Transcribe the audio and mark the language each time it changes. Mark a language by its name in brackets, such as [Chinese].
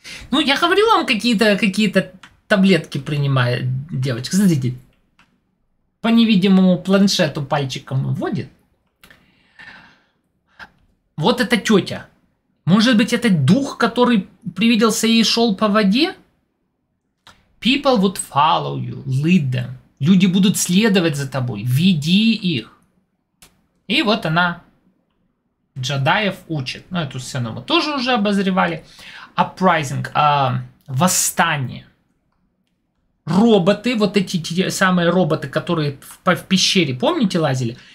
[Russian] Ну, я говорю вам, какие-то таблетки принимает девочка. Смотрите. По невидимому планшету пальчиком вводит. Вот эта тетя. Может быть, это дух, который привиделся и шел по воде? [English] People would follow you, lead them. [Russian] Люди будут следовать за тобой. Веди их. И вот она джедаев учит. Ну, эту сцену мы тоже уже обозревали. Uprising. Восстание. Роботы, вот эти те самые роботы, которые в пещере, помните, лазили?